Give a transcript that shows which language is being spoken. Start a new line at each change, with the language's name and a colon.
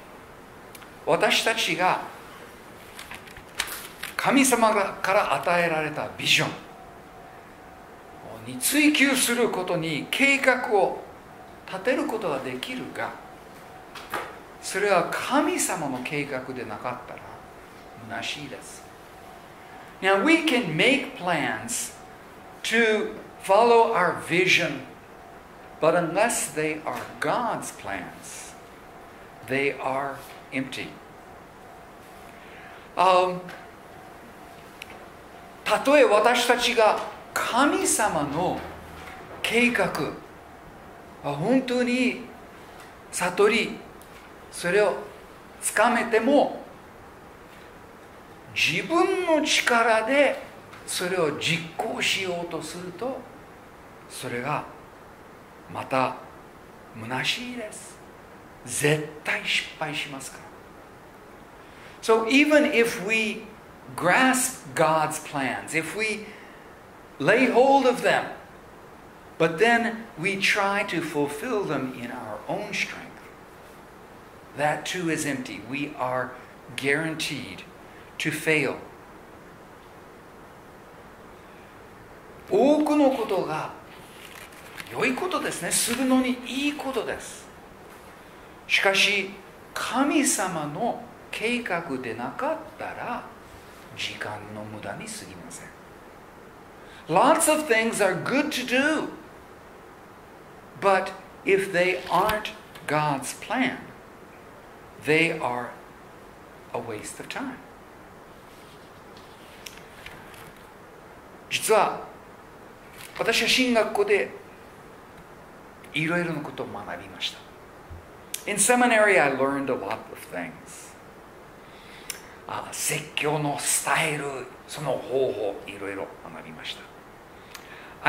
Japanese: Actually, 私たちが神様から与えられたビジョンに追求することに計画を立てることができるが、それは神様の計画でなかったら虚しいです。
English: Now we can make plans to follow our vision, but unless they are God's plans, they are empty.
Japanese: 例え私たちが神様の計画本当に悟り、それをつかめても自分の力でそれを実行しようとすると、それがまた虚しいです。絶対失敗しますから。
English: So even if we grasp God's plans, if we lay hold of them, but then we try to fulfill them in our own strength, that too is empty. We are guaranteed to fail.
Japanese: 多くのことが良いことですね。するのにいいことです。しかし、神様の計画でなかったら、時間の無駄に過ぎません。
English: Lots of things are good to do, but if they aren't God's plan, they are a waste of time.
Japanese: 実は私は神学校でいろいろなことを学びました。
English: In seminary, I learned a lot of things.
Japanese: 説教のスタイル、その方法、いろいろ学びました。